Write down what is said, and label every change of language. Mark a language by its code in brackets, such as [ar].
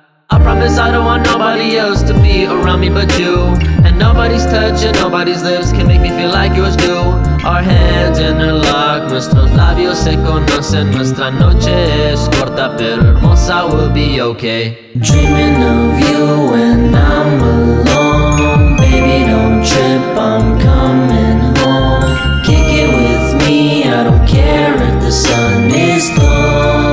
[en] I promise I don't want nobody else to be around me but you. And nobody's touch and nobody's lips can make me feel like yours do. Our hands interlock, [es] nuestros labios se conocen. Nuestra noche es corta pero hermosa, [en] we'll be okay. Dreaming of you when I'm alone. Baby don't trip, I'm coming home. Kick it with me, I don't care if the sun is gone.